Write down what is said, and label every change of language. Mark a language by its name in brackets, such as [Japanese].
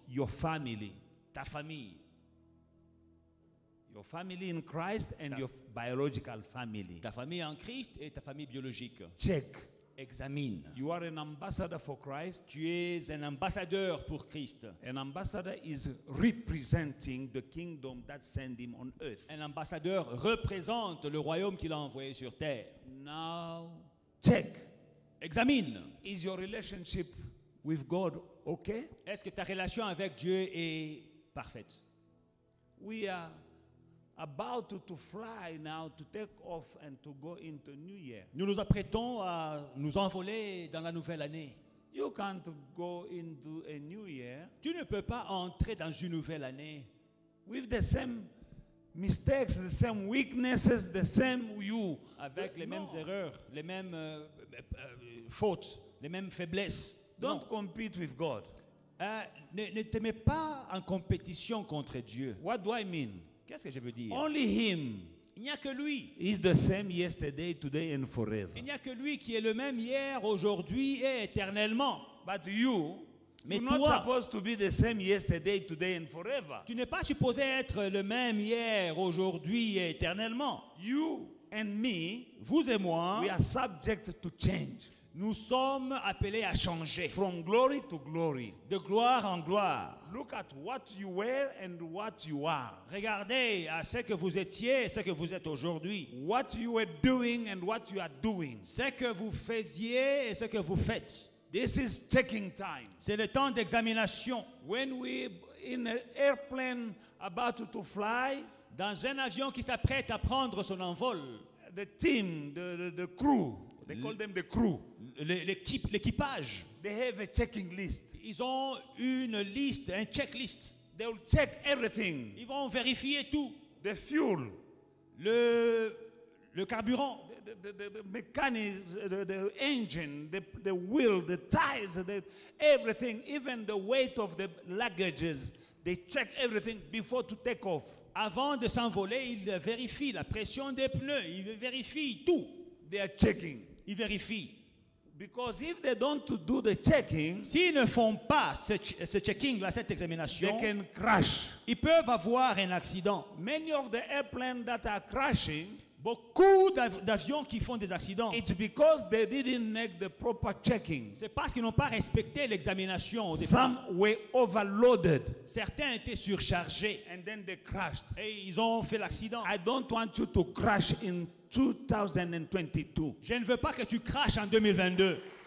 [English] Your family. [French] Ta famille. [English] Your family in Christ and your biological family. [French] Ta famille en Christ et ta famille biologique. [English] Check. [French] Examine. [English] You are an ambassador for Christ. [French] Tu es un ambassadeur pour Christ. [English] An ambassador is representing the kingdom that sent him on earth. [French] Un ambassadeur représente le royaume qu'il a envoyé sur terre. [English] Now, check. Examine. Is your relationship with God okay? [French] Est-ce que ta relation avec Dieu est parfaite? [English] We are about to fly now to take off and to go into new year. [French] Nous nous apprêtons à nous envoler dans la nouvelle année. [English] You can't go into a new year. [French] Tu ne peux pas entrer dans une nouvelle année [English] with the same mistakes, the same weaknesses, the same you. [French] Avec les mêmes erreurs, les mêmes fautes, les mêmes faiblesses. [English] Don't compete with God. [French] Ne te mets pas en compétition contre Dieu. [English] What do I mean? [French] Qu'est-ce que je veux dire? [English] Only him. [French] Il n'y a que lui. [English] He's the same yesterday, today and forever. [French] Il n'y a que lui qui est le même hier, aujourd'hui et éternellement. [English] But you, [French] mais [English] you're not supposed to be the same yesterday, today and forever. [French] Tu n'es pas supposé être le même hier, aujourd'hui et éternellement. [English] You and me, [French] vous et moi, [English] we are subject to change. [French] Nous sommes appelés à changer. [English] From glory to glory. [French] De gloire en gloire. [English] Look at what you were and what you are. [French] Regardez à ce que vous étiez et ce que vous êtes aujourd'hui. [English] What you were doing and what you are doing. [French] Ce que vous faisiez et ce que vous faites. [English] This is checking time. [French] C'est le temps d'examination. [English] When we in an airplane about to fly, [French] dans un avion qui s'apprête à prendre son envol, [English] the team, the crew, They call them the crew. [French] L'équipage. [English] They have a checking list. [French] Ils ont une liste, un checklist. [English] They will check everything. [French] Ils vont vérifier tout. [English] The fuel. [French] Le carburant. [English] The mechanics, the engine, the wheel, the tires, everything, even the weight of the luggages. They check everything before to take off. [French] Avant de s'envoler, ils vérifient la pression des pneus. Ils vérifient tout. [English] They are checking. [French] Ils vérifient. [English] Because if they don't do the checking, [French] s'ils ne font pas ce checking, là, cette examination, [English] they can crash. [French] Ils peuvent avoir un accident. [English] Many of the airplanes that are crashing, [French] beaucoup d'avions qui font des accidents, [English] it's because they didn't make the proper checking. [French] C'est parce qu'ils n'ont pas respecté l'examination. [English] Some were overloaded. [French] Certains étaient surchargés. [English] And then they crashed. [French] Et ils ont fait l'accident. [English] I don't want you to crash in 2022. [French] Je ne veux pas que tu crashes en 2022.